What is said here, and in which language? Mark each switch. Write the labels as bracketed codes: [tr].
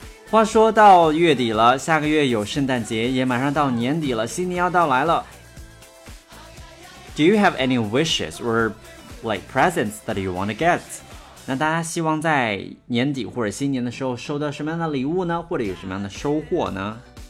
[zh] 话说到月底了，下个月有圣诞节，也马上到年底了，新年要到来了。 [en] Do you have any wishes or like presents that you want to get? [zh] 那大家希望在年底或者新年的时候收到什么样的礼物呢？或者有什么样的收获呢？